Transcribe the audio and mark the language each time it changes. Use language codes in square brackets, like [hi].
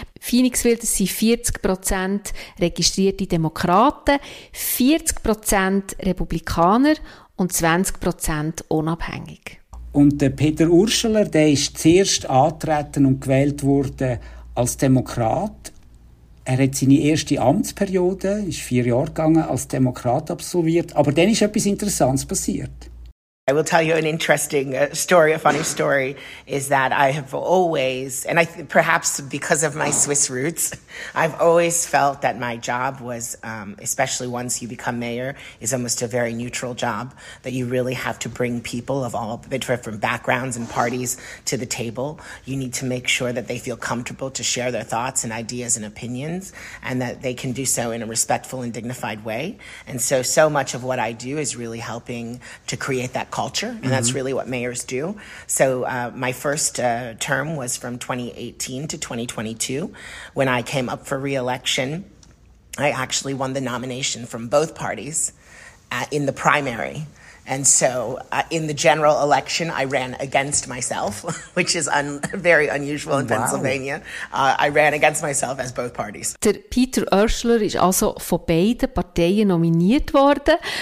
[de] Phoenixville, das sind 40% registrierte Demokraten, 40% Republikaner und 20% unabhängig. Und der Peter Urscheler, der ist zuerst angetreten und gewählt worden als Demokrat. Er hat seine erste Amtsperiode, ist 4 Jahre gegangen, als Demokrat absolviert. Aber dann ist etwas Interessantes passiert. [en] I will tell you an interesting story, a funny story, is that I have always, and I perhaps because of my Swiss roots, I've always felt that my job was, especially once you become mayor, is almost a very neutral job, that you really have to bring people of all different backgrounds and parties to the table. You need to make sure that they feel comfortable to share their thoughts and ideas and opinions, and that they can do so in a respectful and dignified way. And so much of what I do is really helping to create that culture, and mm-hmm. that's really what mayors do. So my first term was from 2018 to 2022. When I came up for re-election, I actually won the nomination from both parties in the primary. And so in the general election, I ran against myself, which is very unusual in Pennsylvania. I ran against myself as both parties. [de] Der Peter Oeschler ist also von beiden Parteien nominiert worden.